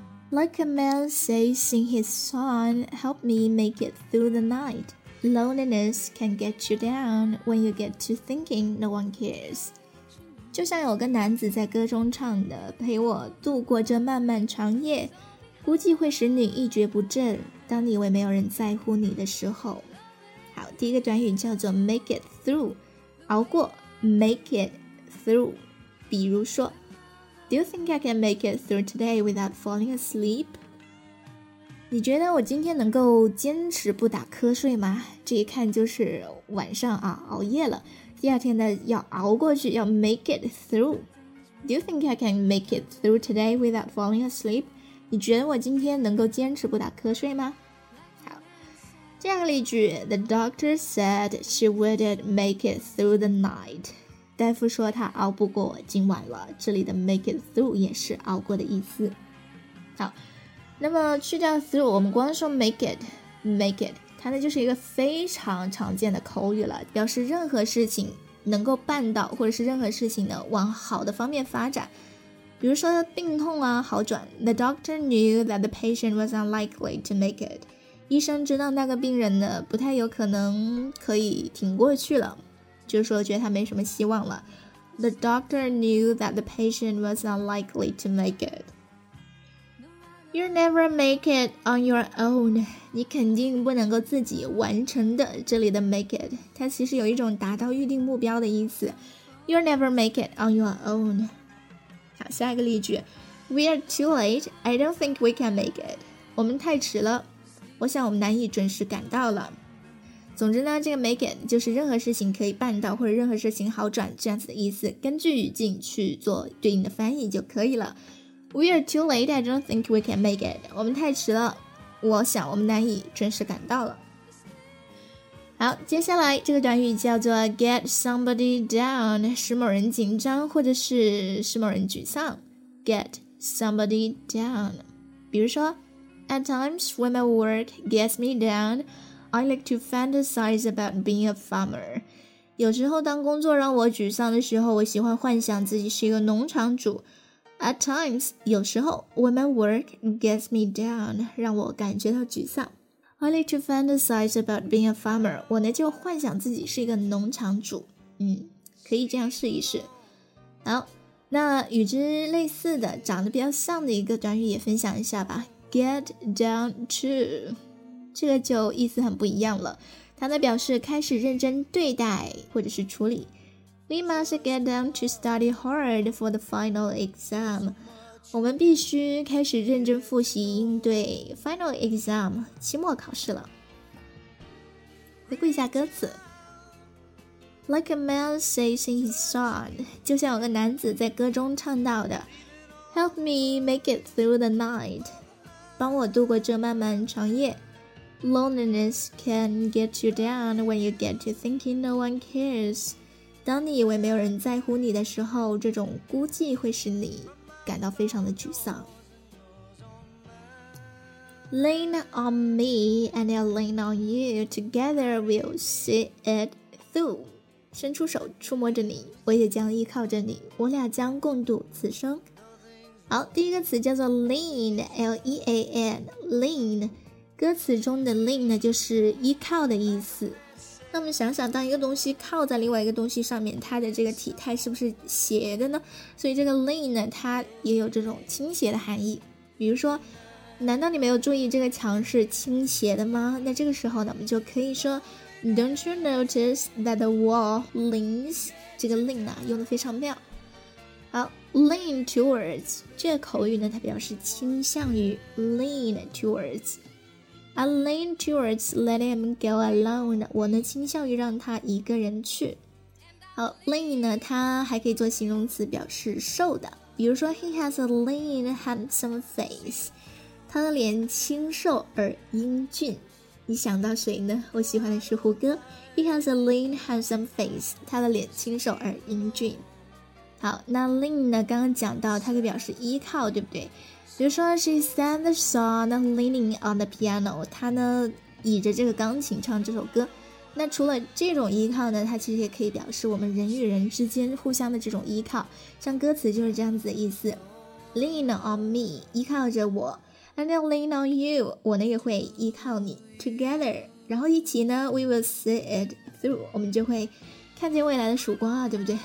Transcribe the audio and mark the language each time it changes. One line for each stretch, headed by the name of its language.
English: Like a man says in his song, help me make it through the night. Loneliness can get you down when you get to thinking no one cares.
Chinese: 就像有个男子在歌中唱的，陪我度过这漫漫长夜，估计会使你一蹶不振，当你以为没有人在乎你的时候。好，第一个短语叫做 make it through， 熬过， make it through。比如说
English: Do you think I can make it through today without falling asleep?
Chinese: 你觉得我今天能够坚持不打瞌睡吗？这一看就是晚上啊，熬夜了。第二天呢，要熬过去，要 make it through.
English: Do you think I can make it through today without falling asleep?
Chinese: 你觉得我今天能够坚持不打瞌睡吗？好，这样的例句
English: The doctor said she wouldn't make it through the night.
Chinese: 大夫说他熬不过今晚了，这里的 make it through 也是熬过的意思。好，那么去掉 through， 我们光说 make it， 它呢就是一个非常常见的口语了，表示任何事情能够办到，或者是任何事情呢往好的方面发展。比如说病痛啊好转，
English: The doctor knew that the patient was unlikely to make it，
Chinese: 医生知道那个病人呢不太有可能可以挺过去了，就是说觉得他没什么希望了。
English: The doctor knew that the patient was unlikely to make it. You'll never make it on your own.
Chinese: 你肯定不能够自己完成的，这里的 make it 它其实有一种达到预定目标的意思。
English: You'll never make it on your own. 好，下一个例句， We are too late. I don't think we can make it.
Chinese: 我们太迟了，我想我们难以准时赶到了。总之呢，这个 make it 就是任何事情可以办到，或者任何事情好转这样子的意思，根据语境去做对应的翻译就可以了。
English: We are too late, I don't think we can make it.
Chinese: 我们太迟了，我想我们难以准时赶到了。好，接下来这个短语叫做 get somebody down， 使某人紧张或者是使某人沮丧。
English: get somebody down，
Chinese: 比如说
English: At times when my work gets me downI like to fantasize about being a farmer.
Chinese: 有时候当工作让我沮丧的时候，我喜欢幻想自己是一个农场主。
English: At times,
Chinese: 有时候
English: when my work gets me down,
Chinese: 让我感觉到沮丧。
English: I like to fantasize about being a farmer.
Chinese: 我呢就幻想自己是一个农场主。可以这样试一试。好，那与之类似的，长得比较像的一个短语也分享一下吧。
English: Get down to...
Chinese: 这个就意思很不一样了，它呢表示开始认真对待或者是处理。
English: We must get down to study hard for the final exam.
Chinese: 我们必须开始认真复习应对 final exam 期末考试了。回顾一下歌词 ，
English: Like a man says in his song，
Chinese: 就像有个男子在歌中唱到的 ，
English: Help me make it through the night，
Chinese: 帮我度过这漫漫长夜。
English: Loneliness can get you down when you get to thinking no one cares.
Chinese: 当你以为没有人在乎你的时候，这种孤寂会使你感到非常的沮丧。
English: Lean on me and I'll lean on you. Together we'll see it through.
Chinese: 伸出手触摸着你，我也将依靠着你，我俩将共度此生。好，第一个词叫做 lean, L-E-A-N, lean. 歌词中的 lean 呢就是依靠的意思。那我们想想，当一个东西靠在另外一个东西上面，它的这个体态是不是斜的呢？所以这个 lean 呢它也有这种倾斜的含义。比如说难道你没有注意这个墙是倾斜的吗？那这个时候呢，我们就可以说
English: Don't you notice that the wall leans?
Chinese: 这个 lean 呢、啊、用得非常妙。好， lean towards 这个口语呢，它表示倾向于 lean towards。
English: I lean towards letting him go alone.
Chinese: 我呢倾向于让他一个人去。好， lean 呢，它还可以做形容词，表示瘦的。比如说
English: ，He has a lean, handsome face.
Chinese: 他的脸清瘦而英俊。你想到谁呢？我喜欢的是胡歌。
English: He has a lean, handsome face.
Chinese: 他的脸清瘦而英俊。好，那 lean 呢？刚刚讲到，它可以表示依靠，对不对？比如说
English: ，She sang the song leaning on the piano.
Chinese: 她呢，倚着这个钢琴唱这首歌。那除了这种依靠呢，它其实也可以表示我们人与人之间互相的这种依靠，像歌词就是这样子的意思 ，
English: Lean on me，
Chinese: 依靠着我 ，
English: And I'll lean on you，
Chinese: 我呢也会依靠你 ，Together， 然后一起呢 ，
English: We will see it through，
Chinese: 我们就会看见未来的曙光啊，对不对？